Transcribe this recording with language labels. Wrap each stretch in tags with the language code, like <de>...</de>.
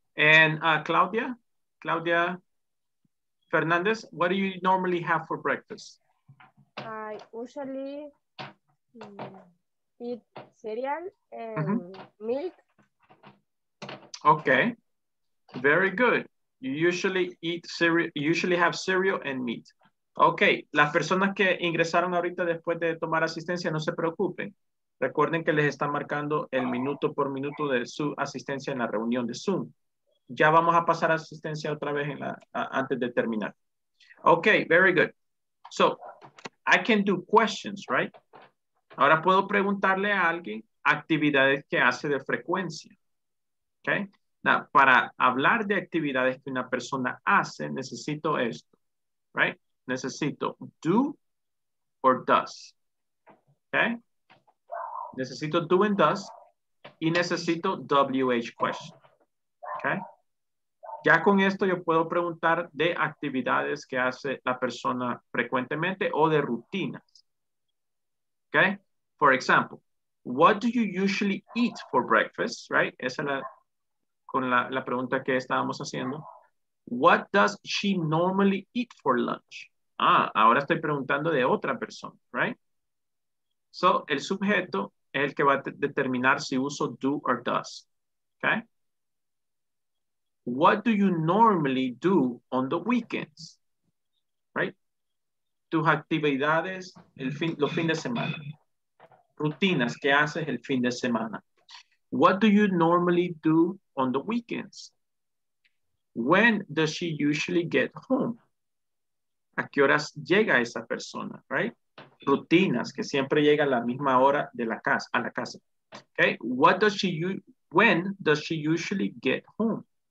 <en>And Claudia Fernandez, what do you normally have for breakfast? I usually eat cereal and milk. Okay, very good. You usually eat cereal, you usually have cereal and meat.</en> <es>Ok, las personas que ingresaron ahorita después de tomar asistencia, no se preocupen. Recuerden que les están marcando el minuto por minuto de su asistencia en la reunión de Zoom. Ya vamos a pasar asistencia otra vez en la, antes de terminar. Ok, very good. So, I can do questions, right? Ahora puedo preguntarle a alguien actividades que hace de frecuencia. Ok, now, para hablar de actividades que una persona hace, necesito esto, right? Necesito do or does. Okay. Necesito do and does. Y necesito WH question. Okay. Ya con esto yo puedo preguntar de actividades que hace la persona frecuentemente o de rutinas.</es> <en>Okay. For example, what do you usually eat for breakfast? Right.</en> <es>Esa es la, con la, la pregunta que estábamos haciendo.</es> <en>What does she normally eat for lunch? Ah, ahora estoy preguntando de otra persona, right?</en> <es>So, el sujeto es el que va a determinar si uso do or does, okay?</es> <en>What do you normally do on the weekends, right?</en> <es>Tus actividades el fin, los fines de semana. Rutinas que haces el fin de semana.</es> <en>What do you normally do on the weekends? When does she usually get home? ¿A qué horas llega esa persona, right?</en> <es>Rutinas, que siempre llega a la misma hora de la casa, a la casa.</es> <en>Okay, what does she, when does she usually get home?</en>